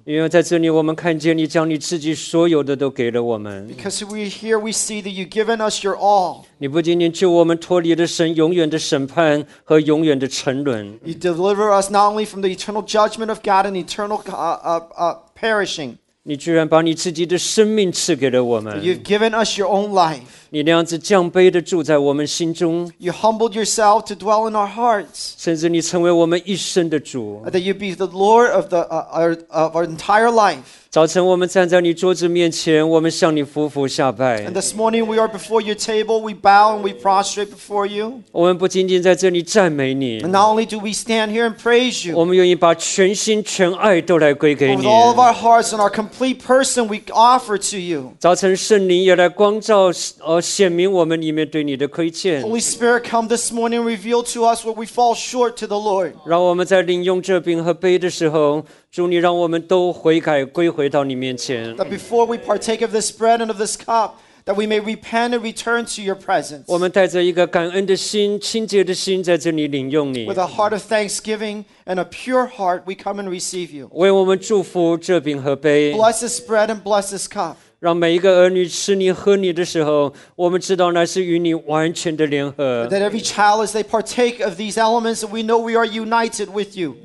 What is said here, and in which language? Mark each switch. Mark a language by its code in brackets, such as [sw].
[en] Because we here, we see that you've given us your all. You deliver us not only from the eternal judgment of God and eternal perishing. You've given us your own life. [zh] 你那样子降卑地住在我们心中。 [en] You humbled yourself to dwell in our hearts. [zh] 甚至你成为我们一生的主。 [en] That you be the Lord of the, of our entire life. [zh] 早晨我们站在你桌子面前，我们向你俯伏下拜。 [en] And this morning we are before your table, we bow and we prostrate before you. [zh] 我们不仅仅在这里赞美你。 [en] And not only do we stand here and praise you. [zh] 我们愿意把全心全爱都来归给你。 [en] With all of our hearts and our complete person, we offer to you. [zh] 早晨圣灵也来光照显明我们里面对你的亏欠。 [en] Holy Spirit, come this morning, reveal to us where we fall short to the Lord. [zh] 让我们在领用这饼和杯的时候，主你让我们都悔改归回到你面前。 [en] That before we partake of this bread and of this cup, that we may repent and return to your presence. [zh] 我们带着一个感恩的心，清洁的心在这里领用你。 [en] With a heart of thanksgiving and a pure heart, we come and receive you. [zh] 为我们祝福这饼和杯。 [en] Bless this bread and bless this cup. [zh] 让每一个儿女吃你喝你的时候，我们知道那是与你完全的联合。 [en] That every child, as they partake of these elements, we know we are united with you.